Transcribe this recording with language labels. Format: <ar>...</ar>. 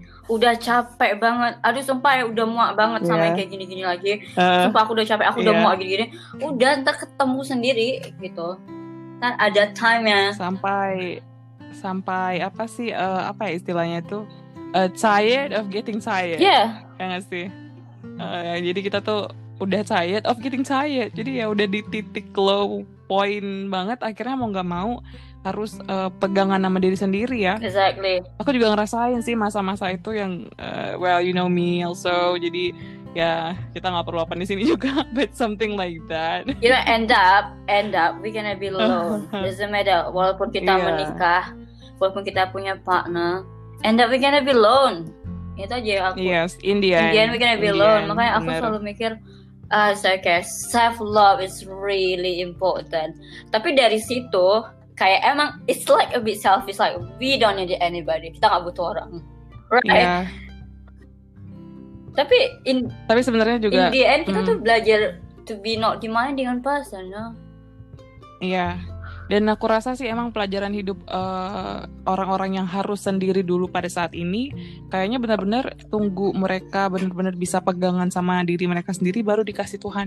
<id>Udah capek banget. Aduh sumpah ya, udah muak banget sama yang kayak gini-gini lagi. Sumpah aku udah capek, aku udah muak gini-gini. Udah ntar ketemu sendiri gitu. Kan ada time ya. Sampai apa sih apa ya istilahnya itu?</id> <en>Tired of getting tired.</en> <id>Iya. Yeah. Kan sih. Jadi kita tuh udah</id> <en>tired of getting tired.</en> <id>Jadi ya udah di titik low point banget, akhirnya mau enggak mau harus pegangan sama diri sendiri ya.</id> <en>Exactly.</en> <id>Aku juga ngerasain sih masa-masa itu yang</id> <en>well you know me also.</en> <id>Jadi ya kita nggak perlu apa-apa di sini juga,</id> <en>but something like that. You know, end up we gonna be alone. Doesn't matter.</en> <id>Walaupun kita menikah, walaupun kita punya partner,</id> <en>end up we gonna be alone.</en> <id>Itu aja yang aku.</id> <en>Yes, in the end we gonna be alone. End,</en> <id>makanya aku selalu mikir.</id> <en>Okay, self love is really important.</en> <id>Tapi dari situ kayak emang</id> <en>it's like a bit selfish, like we don't need anybody.</en> <id>Kita enggak butuh orang.</id> <en>Right. Yeah. Tapi</en> <id>sebenarnya juga</id> <en>in the end</en> <id>kita tuh belajar</id> <en>to be not demanding on person, no.</en> <id>Iya. Yeah. Dan aku rasa sih emang pelajaran hidup orang-orang yang harus sendiri dulu pada saat ini kayaknya benar-benar tunggu mereka benar-benar bisa pegangan sama diri mereka sendiri baru dikasih Tuhan.</id>